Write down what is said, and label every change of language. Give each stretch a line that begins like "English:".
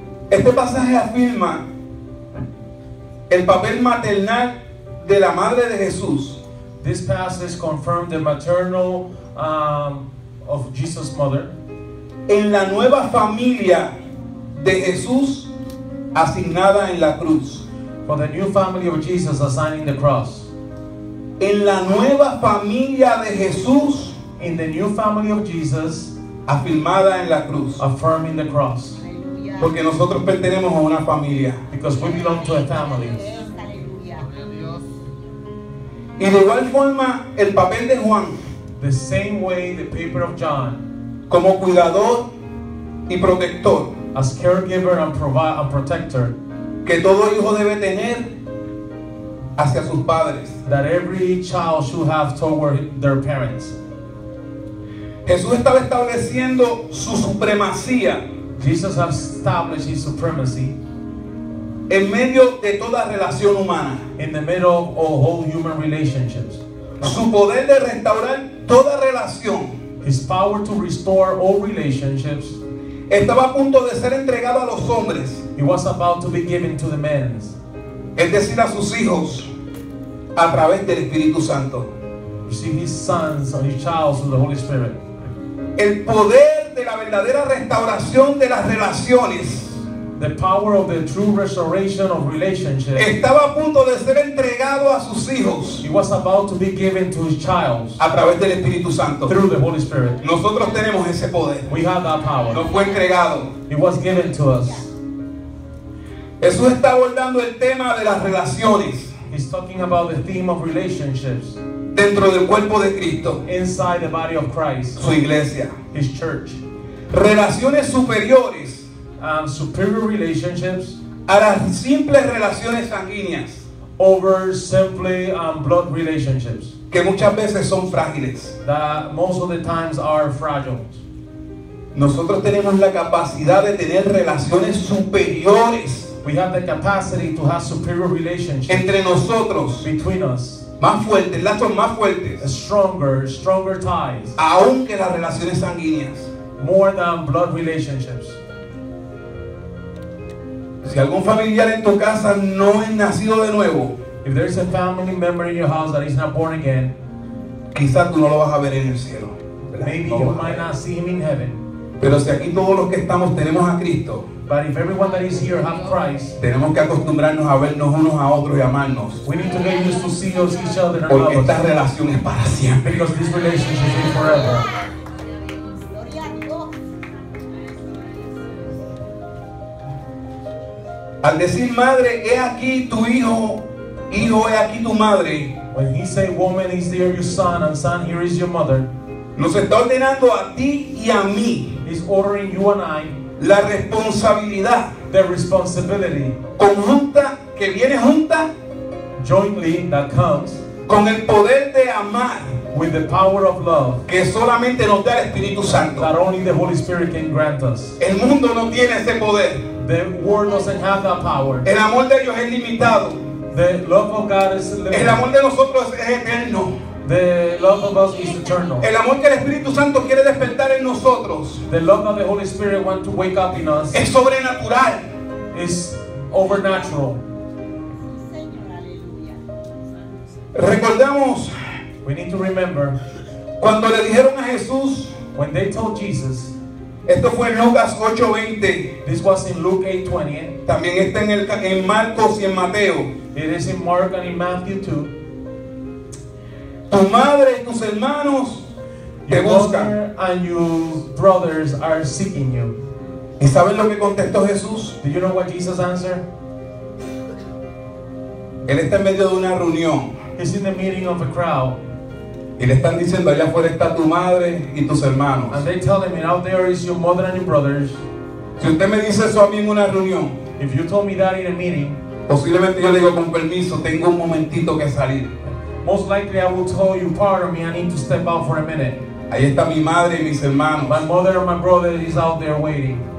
Spanish: Este pasaje afirma el papel maternal de la madre de Jesús.
English: This passage confirms the maternal of Jesus' mother
Spanish: en la nueva familia de Jesús asignada en la cruz.
English: For the new family of Jesus assigned in the cross.
Spanish: En la nueva familia de Jesús,
English: in the new family of Jesus
Spanish: afirmada en la cruz.
English: Affirmed in the cross.
Spanish: Porque nosotros pertenecemos a una familia.
English: Because we belong to a family.
Spanish: Y de igual forma, el papel de Juan,
English: the same way the paper of John,
Spanish: como cuidador y protector,
English: as caregiver and protector,
Spanish: que todo hijo debe tener hacia sus padres,
English: that every child should have toward their parents.
Spanish: Jesús estaba estableciendo su supremacía.
English: Jesus established his supremacy
Spanish: en medio de toda relación humana,
English: in the middle of all human relationships.
Spanish: Su poder de restaurar toda relación,
English: his power to restore all relationships,
Spanish: estaba a punto de ser entregado a los hombres.
English: It was about to be given to the men,
Spanish: es decir, a sus hijos, a través del Espíritu Santo.
English: You see, his sons and his child through the Holy Spirit.
Spanish: El poder de la verdadera restauración de las relaciones,
English: the power of the true restoration of relationships,
Spanish: estaba a punto de ser entregado a sus hijos.
English: It was about to be given to his child,
Spanish: a través del Espíritu Santo,
English: through the Holy Spirit.
Spanish: Nosotros tenemos ese poder.
English: We have that power.
Spanish: Nos fue entregado.
English: It was given to us.
Spanish: Jesús está abordando el tema de las relaciones.
English: He's talking about the theme of relationships.
Spanish: Dentro del cuerpo de Cristo,
English: inside the body of Christ,
Spanish: su iglesia,
English: his church.
Spanish: Relaciones superiores,
English: superior relationships,
Spanish: a las simples relaciones sanguíneas,
English: over simply blood relationships,
Spanish: que muchas veces son frágiles,
English: that most of the times are fragile.
Spanish: Nosotros tenemos la capacidad de tener relaciones superiores,
English: we have the capacity to have superior relationships,
Spanish: entre nosotros,
English: between us,
Spanish: más fuertes, lazos más fuertes,
English: stronger ties,
Spanish: aún que las relaciones sanguíneas,
English: more than blood relationships.
Spanish: Si algún familiar en tu casa no es nacido de nuevo,
English: If there is a family member in your house that is not born again,
Spanish: quizás tú no lo vas a ver en el cielo.
English: Maybe you might not see him in heaven.
Spanish: Pero si aquí todos los que estamos tenemos a Cristo,
English: but if everyone that is here have Christ,
Spanish: tenemos que acostumbrarnos a vernos unos a otros y amarnos.
English: We need to get used to see us each other.
Spanish: Porque esta relación es para siempre.
English: Because this relationship is forever.
Spanish: Al decir madre, he aquí tu hijo, hijo, he aquí tu madre.
English: When he say woman, is there your son, and son, here is your mother.
Spanish: Nos está ordenando a ti y a mí.
English: He's ordering you and I.
Spanish: La responsabilidad.
English: The responsibility.
Spanish: Conjunta, que viene junta.
English: Jointly, that comes.
Spanish: Con el poder de amar.
English: With the power of love.
Spanish: Que solamente nos da el Espíritu Santo.
English: That only the Holy Spirit can grant us.
Spanish: El mundo no tiene ese poder.
English: The world doesn't have that power.
Spanish: El amor de Dios es limitado.
English: The love of God is limited.
Spanish: El amor de nosotros es eterno.
English: The love of us is eternal.
Spanish: El amor que el Espíritu Santo quiere despertar en nosotros.
English: The love of the Holy Spirit wants to wake up in us.
Spanish: Es sobrenatural.
English: Is overnatural.
Spanish: Recordamos.
English: We need to remember.
Spanish: Cuando le dijeron a Jesús.
English: When they told Jesus.
Spanish: Esto fue en Lucas 8:20.
English: This was in Luke 8:20.
Spanish: También está en Marcos y en Mateo.
English: It is in Mark and in Matthew too.
Spanish: Tu madre y tus hermanos te buscan.
English: Your mother and your brothers are seeking you.
Spanish: ¿Y sabes lo que contestó Jesús?
English: Do you know what Jesus answered?
Spanish: Él está en medio de una reunión.
English: He's in the meeting of a crowd.
Spanish: Y le están diciendo, allá afuera está tu madre y tus hermanos.
English: And they tell him, out there is your mother and your brothers.
Spanish: Si usted me dice eso a mí en una reunión,
English: if you told me that in a meeting,
Spanish: posiblemente yo le digo, con permiso, tengo un momentito que salir.
English: Most likely I will tell you, pardon me, I need to step out for a minute.
Spanish: Ahí está mi madre y mis hermanos.
English: My mother and my brother is out there waiting.